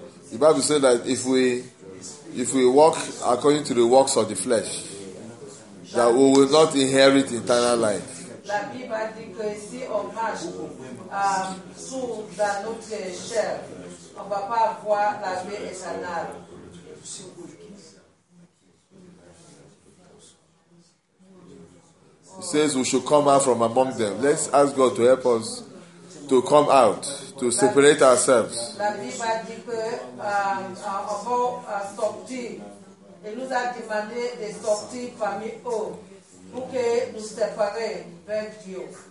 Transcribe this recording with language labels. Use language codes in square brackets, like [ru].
[en] The Bible says that if we walk according to the works of the flesh, that we will not inherit eternal life. [fr] La Bible dit que si on marche sous la notre chair, on va pas avoir la vie éternelle. [en] He says we should come out from among them. Let's ask God to help us to come out, to separate ourselves. [fr] La Bible dit que avant sortir, il nous a demandé de sortir parmi eux pour que nous séparions vers Dieu.